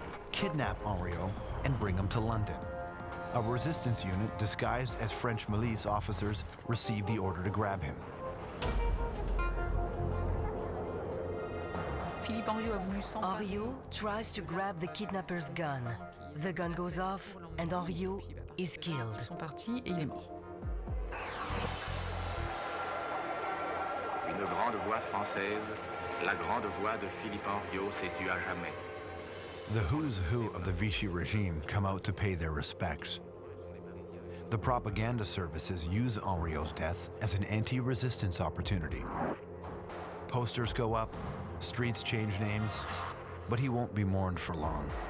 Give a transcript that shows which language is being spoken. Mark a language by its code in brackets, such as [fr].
[en] Kidnap Henriot and bring him to London. A resistance unit disguised as French Milice officers received the order to grab him. [fr] Philippe Henriot a voulu s'emparer. [en] Henriot tries to grab the kidnapper's gun. The gun goes off and Henriot is killed. [fr] Ils sont partis et il est mort. Une grande voix française, la grande voix de Philippe Henriot s'est tue à jamais. [en] The who's who of the Vichy regime come out to pay their respects. The propaganda services use Henriot's death as an anti-resistance opportunity. Posters go up, streets change names, but he won't be mourned for long.